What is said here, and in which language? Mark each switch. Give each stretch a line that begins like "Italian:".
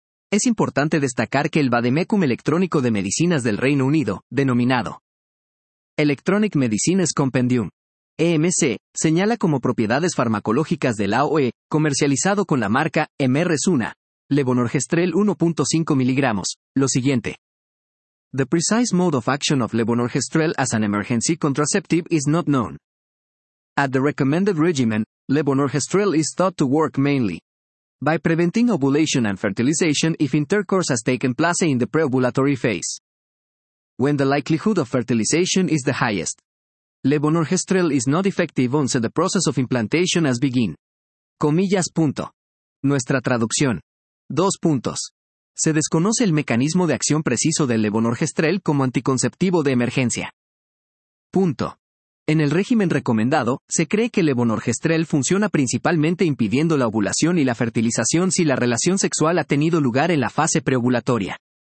Spanish: Es importante destacar que el Vademécum Electrónico de Medicinas del Reino Unido, denominado Electronic Medicines Compendium, EMC, señala como propiedades farmacológicas del AOE, comercializado con la marca MR-Suna. Levonorgestrel 1.5 miligramos, lo siguiente.
English: The precise mode of action of levonorgestrel as an emergency contraceptive is not known. At the recommended regimen, levonorgestrel is thought to work mainly by preventing ovulation and fertilization if intercourse has taken place in the preovulatory phase. When the likelihood of fertilization is the highest, levonorgestrel is not effective once the process of implantation has begun.
Spanish: Comillas punto. Nuestra traducción. Dos puntos. Se desconoce el mecanismo de acción preciso del levonorgestrel como anticonceptivo de emergencia. Punto. En el régimen recomendado, se cree que el levonorgestrel funciona principalmente impidiendo la ovulación y la fertilización si la relación sexual ha tenido lugar en la fase preovulatoria.